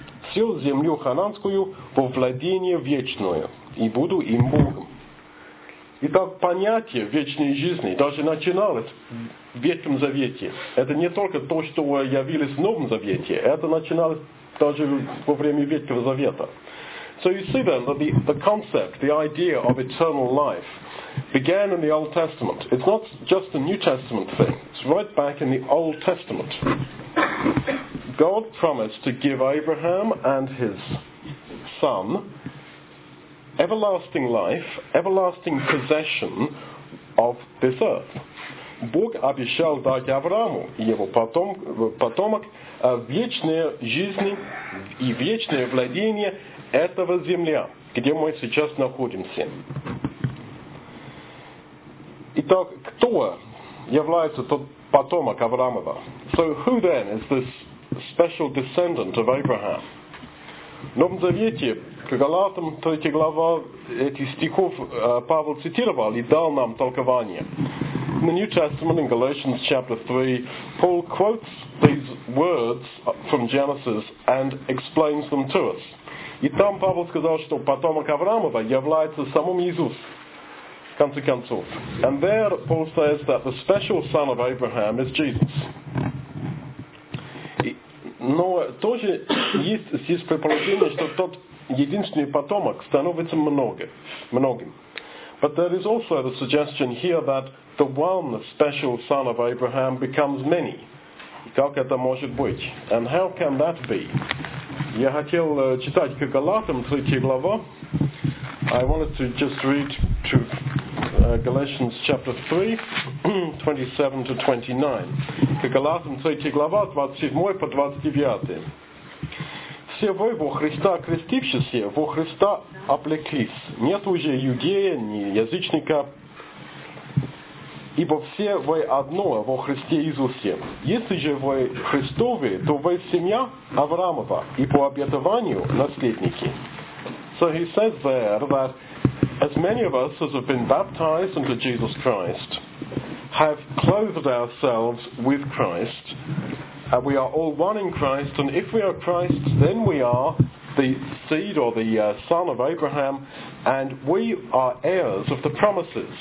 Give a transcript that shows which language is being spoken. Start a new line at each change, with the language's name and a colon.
Russian: Всю землю хананскую во владение вечное, и буду им Богом. Итак, понятие вечной жизни даже начиналось в Ветхом Завете. Это не только то, что явилось в Новом Завете, это начиналось даже во время Ветхого Завета.
English: So you see then that the concept, the idea of eternal life, began in the Old Testament. It's not just a New Testament thing. It's right back in the Old Testament. God promised to give Abraham and his son everlasting life, everlasting possession of this earth.
Russian: Бог обещал дать Аврааму и его потомок вечные жизни и вечное владение этого земля, где мы сейчас находимся. Итак, кто является тот потомок Авраамова?
English: So who then is this special descendant of Abraham?
Russian: В Новом Завете, к Галатам, 3 глава, эти стихов Павел цитировал и дал нам толкование.
English: In the New Testament, in Galatians chapter 3, Paul quotes these words from Genesis and explains them to us.
Russian: И там Павел сказал, что потомок Авраамова является самым Иисус, в конце концов.
English: And there Paul says that the special son of Abraham is Jesus.
Russian: Но тоже есть здесь предположение, что тот единственный потомок становится многим.
English: But there is also the suggestion here that the one special son of Abraham becomes many.
Russian: Как это может быть?
English: And how can that be?
Russian: Я хотел читать к Галатам 3 глава.
English: I wanted to just read to Galatians chapter 3, 27-29.
Russian: К Галатам 3 глава, 27-29. Все вы во Христа крестившиеся, во Христа облеклись. Нет уже иудея, ни язычника, ибо все вы одно во Христе Иисусе. Если же вы Христовы, то вы семья Авраамова, и по обетованию наследники.
English: So he says there that as many of us as have been baptized into Jesus Christ have clothed ourselves with Christ, and we are all one in Christ, and if we are Christ, then we are the seed or the son of Abraham, and we are heirs of the promises.